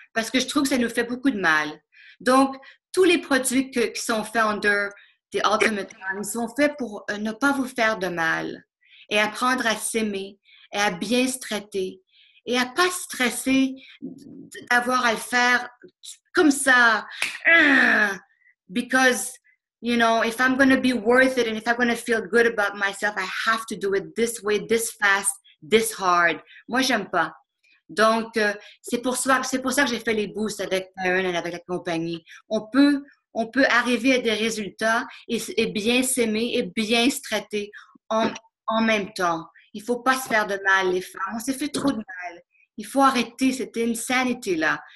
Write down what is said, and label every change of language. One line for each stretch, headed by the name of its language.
French: Parce que je trouve que ça nous fait beaucoup de mal. Donc, tous les produits qui sont faits
English: under the Ultimate Plan
French: sont faits pour ne pas vous faire de mal et apprendre à s'aimer et à bien se traiter et à ne pas stresser d'avoir à le faire comme ça.
English: Because, you know, if I'm going to be worth it and if I'm going to feel good about myself, I have to do it this way, this fast, this hard.
French: Moi, j'aime pas. Donc, c'est pour ça que j'ai fait les boosts avec Karen et avec la compagnie. On peut arriver à des résultats et bien s'aimer et bien se traiter en même temps. Il ne faut pas se faire de mal, les femmes. On s'est fait trop de mal. Il faut arrêter cette insanity-là.